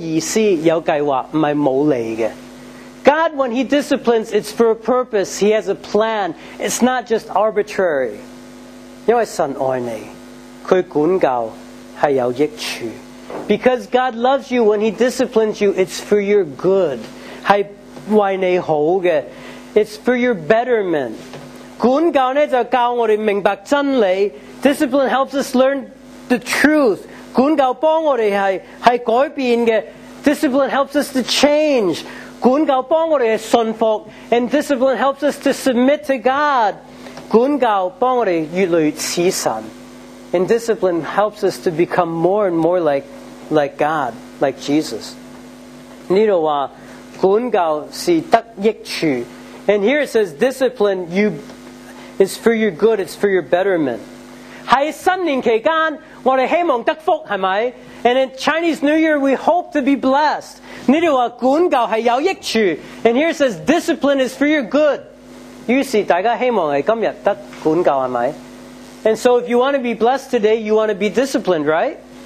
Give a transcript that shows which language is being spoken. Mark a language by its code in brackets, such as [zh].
[zh] 神管教我们是有意思,有计划,不是无理的。 [en] God, when He disciplines, it's for a purpose. He has a plan. It's not just arbitrary. [zh] 因为神爱你,祂管教是有益处。 [en] Because God loves you, when He disciplines you, it's for your good. [zh] 是为你好的, [en] it's for your betterment. [zh] 管教呢,就教我们明白真理, [en] discipline helps us learn the truth. [zh] 管教帮我们是改变的, [en] discipline helps us to change. [zh] 管教帮我们是信服, [en] and discipline helps us to submit to God. [zh] 管教帮我们越来越似神, [en] and discipline helps us to become more and more like God, like Jesus. [zh] 这里说,管教是得益处, [en] and here it says discipline you is for your good, it's for your betterment. [zh] 在新年期间,我们希望得福, [en] and in Chinese New Year we hope to be blessed. [zh] 这里说,管教是有益处, [en] and here it says discipline is for your good. [zh] 于是大家希望是今天得管教,是不是? [en] And so if you want to be blessed today, you want to be disciplined, right?